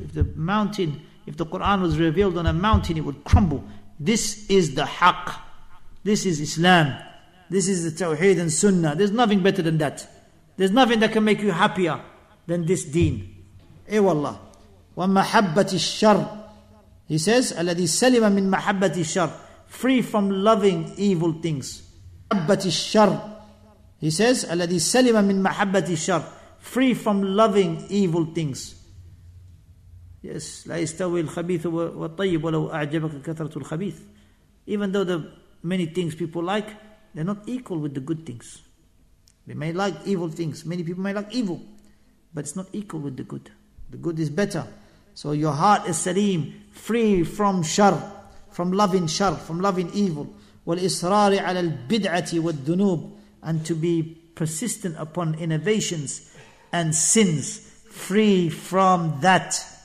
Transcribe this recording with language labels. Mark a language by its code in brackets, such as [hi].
[en] If the Quran was revealed on a mountain, it would crumble. This is the haqq. This is Islam. This is the tawheed and sunnah. There's nothing better than that. There's nothing that can make you happier than this deen. [ar] Eh wallah. وَمَحَبَّةِ الشَّرْ. [en] He says, [ar] أَلَّذِي سَلِمَ مِنْ مَحَبَّةِ الشَّرْ. [en] Free from loving evil things. [ar] مَحَبَّةِ الشَّرْ. [en] He says, [ar] أَلَّذِي سَلِمَ مِنْ مَحَبَّةِ الشَّرْ. [en] Free from loving evil things. [ar] Yes, لا يستوي الخبيث والطيب ولو أعجبك كثرة الخبيث. [en] Even though the many things people like, they're not equal with the good things. They may like evil things. Many people may like evil, but it's not equal with the good. The good is better. So your heart is salim, free from shar, from loving shar, from loving evil. [ar] والإصرار على البدعة والذنوب. [en] And to be persistent upon innovations and sins, free from that.